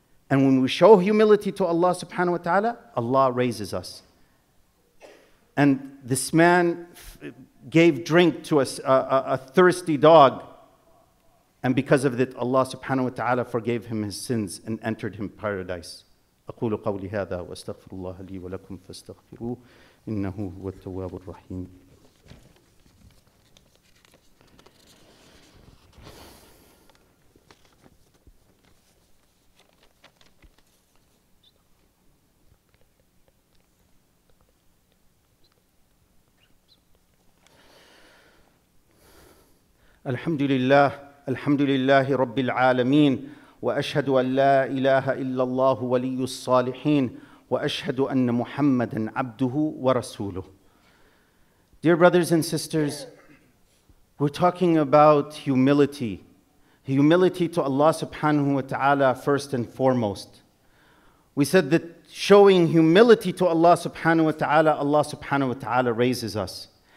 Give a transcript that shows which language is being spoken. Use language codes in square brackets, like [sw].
[en] And when we show humility to Allah subhanahu wa ta'ala, Allah raises us. And this man gave drink to a thirsty dog, and because of that, Allah subhanahu wa ta'ala forgave him his sins and entered him paradise. [ar] أقول قولي هذا واستغفر الله لي ولكم فاستغفروه إنه هو التواب الرحيم. الحمد لله الحمد لله رب العالمين وأشهد أن لا إله إلا الله ولي الصالحين وأشهد أن محمدا عبده ورسوله. [en] Dear brothers and sisters, we're talking about humility. Humility to Allah subhanahu wa ta'ala first and foremost. We said that showing humility to Allah subhanahu wa ta'ala, Allah subhanahu wa ta'ala raises us.